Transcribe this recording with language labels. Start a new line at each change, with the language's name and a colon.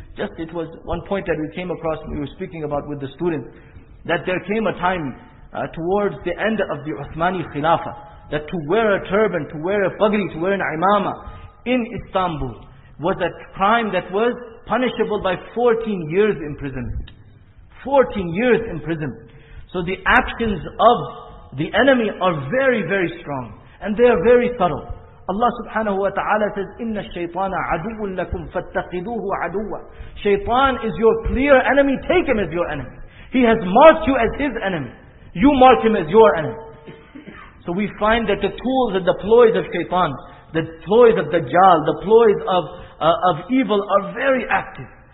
English: Just it was one point that we came across, we were speaking about with the students, that there came a time towards the end of the Uthmani Khilafah that to wear a turban, to wear a pagri, to wear an imamah in Istanbul was a crime that was punishable by 14 years imprisonment. 14 years imprisonment. So the actions of the enemy are very, very strong. And they are very subtle. Allah subhanahu wa ta'ala says,
Arabic: إِنَّ الشَّيْطَانَ عَدُوٌ لَكُمْ فَاتَّقِدُوهُ عَدُوًا.
English: Shaytan is your clear enemy, take him as your enemy. He has marked you as his enemy. You mark him as your enemy. So we find that the tools and the ploys of shaitan, the ploys of Dajjal, the ploys of evil are very active.